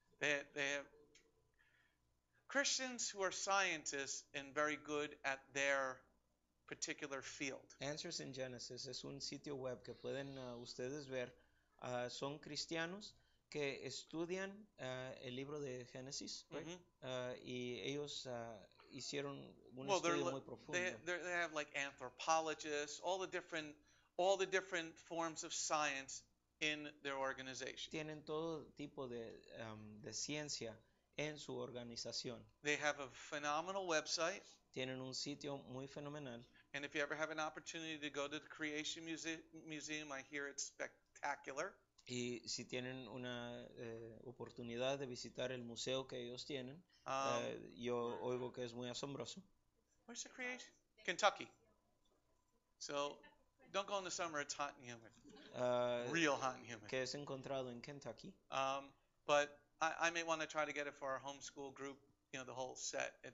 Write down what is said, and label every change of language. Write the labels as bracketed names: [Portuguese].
[English] They have Christians who are scientists and very good at their particular field. [Spanish] Answers in Genesis es un sitio web que pueden ustedes ver. Son cristianos que estudian el libro de Génesis, right? Mm-hmm. Y ellos hicieron un estudio muy profundo. [English] They have like anthropologists, all the different forms of science in their organization. [Spanish] Tienen todo tipo de ciencia en su organización. [English] They have a phenomenal website. [Spanish] Tienen un sitio muy fenomenal. [English] And if you ever have an opportunity to go to the Creation Museum, I hear it's spectacular. [Spanish] Y si tienen una oportunidad de visitar el museo que ellos tienen, yo oigo que es muy asombroso. [English] Where's the Creation? Kentucky. So, don't go in the summer, it's hot and humid. Real hot and humid. [Spanish] Que es encontrado en Kentucky. [English] But I may want to try to get it for our homeschool group, you know, the whole set.